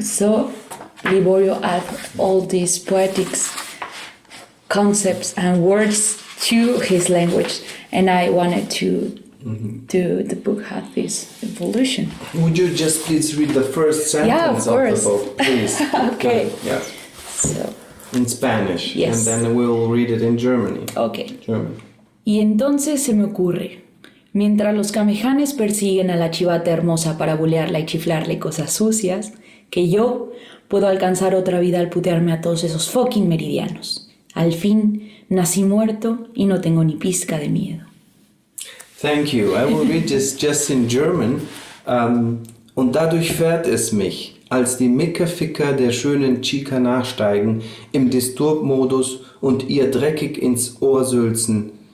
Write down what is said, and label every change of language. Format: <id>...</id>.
<en>So Livorio adds all these poetic concepts and words to his language, and I wanted to to the book had this evolution. Would you just please read the first sentence of the book, please? Okay. So. In Spanish. Yes. And then we'll read it in Germany. Okay. German.</en> <es>Y entonces se me ocurre, mientras los camejanes persiguen a la chivata hermosa para bulearla y chiflarle cosas sucias, que yo puedo alcanzar otra vida al putearme a todos esos fucking meridianos. Al fin, nací muerto y no tengo ni pizca de miedo.</es> <en>Thank you. I will read this just in German.</en> <de>Und dadurch fährt es mich, als die Mickerficker der schönen Chica nachsteigen, im Disturb-Modus und ihr dreckig ins Ohr sülzen.</de>